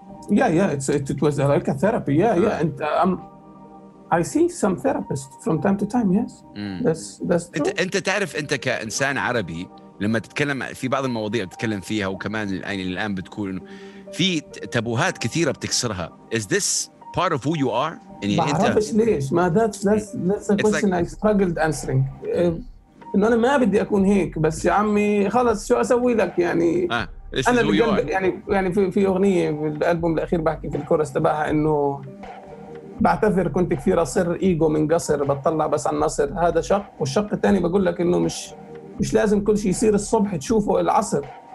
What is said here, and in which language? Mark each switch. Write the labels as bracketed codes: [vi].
[en] Yeah it was like a therapy. Yeah انت I see some therapist from time to time. Yes. That's true. [ar] أنت تعرف، أنت كإنسان عربي لما تتكلم في بعض المواضيع بتتكلم فيها، وكمان يعني الآن بتكون في تابوهات كثيرة بتكسرها. [en] Is this part of who you are? [ar] يعني أنت بعرفش ليش. [en] ما that's a question like... I struggled answering. [ar] إنه أنا ما بدي أكون هيك، بس يا عمي خلاص شو أسوي لك يعني. [en] This is who you are. [ar] يعني في أغنية بالألبوم الأخير بحكي في الكورس تبعها إنه بعتذر كنت كثير أصر إيجو من قصر، بطلع بس على النصر. هذا شق، والشق الثاني بقول لك إنه مش لازم كل شيء يصير الصبح تشوفه العصر.